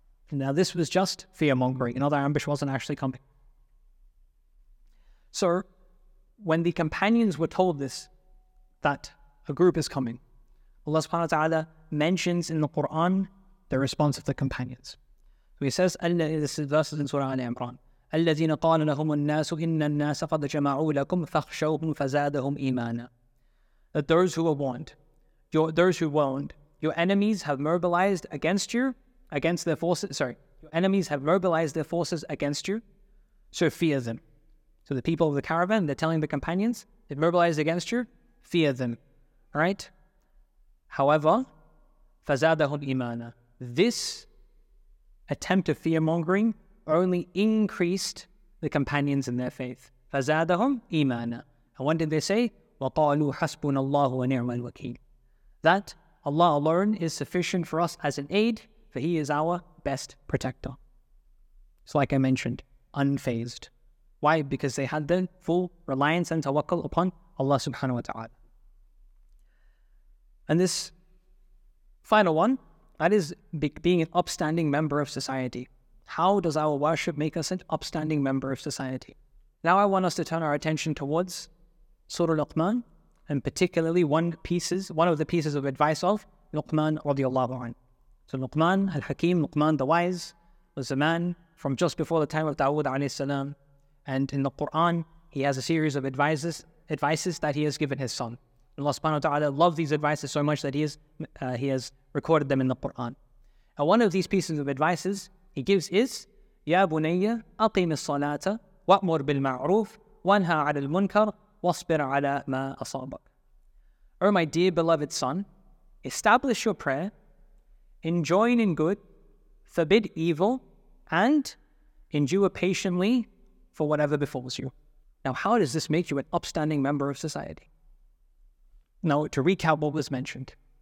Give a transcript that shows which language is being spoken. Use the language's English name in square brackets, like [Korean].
[English] And now this was just fear-mongering. Another ambush wasn't actually coming. So when the companions were told this, that a group is coming, Allah subhanahu wa ta'ala mentions in the Quran the response of the companions. So he says, this is verses in Surah Al-Imran, [Arabic] الذين قال لهم الناس إن الناس قد جمعوا لكم فخشوهم فزادهم إيمانا. [English] That those who were warned, your enemies have mobilized against you, against their forces. Sorry, your enemies have mobilized their forces against you, so fear them. So the people of the caravan, they're telling the companions, they've mobilized against you, fear them. All right. However, [Arabic] فزادهم إيمانا. [English] This attempt of fear mongering only increased the companions in their faith. [Arabic] فزادهم إيمانا. [English] And what did they say? [Arabic] وَقَالُوا حَسْبُنَ اللَّهُ وَنِعْمَ الْوَكِيلُ. [English] That Allah alone is sufficient for us as an aid, for He is our best protector. So like I mentioned, unfazed. Why? Because they had the full reliance and tawakkul upon Allah subhanahu wa ta'ala. And this final one, that is being an upstanding member of society. How does our worship make us an upstanding member of society? Now I want us to turn our attention towards Surah Luqman, and particularly one of the pieces of advice of Luqman radiallahu anhu. So Luqman al-Hakim, Luqman the wise, was a man from just before the time of Dawud alayhi salam. And in the Quran, he has a series of advices that he has given his son. Allah subhanahu wa ta'ala loved these advices so much that he has recorded them in the Quran. And one of these pieces of advices he gives is, [Arabic] يَا بُنَيَّ أَقِيمِ الصَّلَاةَ وَأْمُرْ بِالْمَعْرُوفِ وَانْهَا عَلَى الْمُنْكَرِ وَاصْبِرْ عَلَى مَا أَصَابَكَ. [English] O my dear beloved son, establish your prayer, enjoin in good, forbid evil, and endure patiently for whatever befalls you. Now, how does this make you an upstanding member of society? Now, to recap what was mentioned.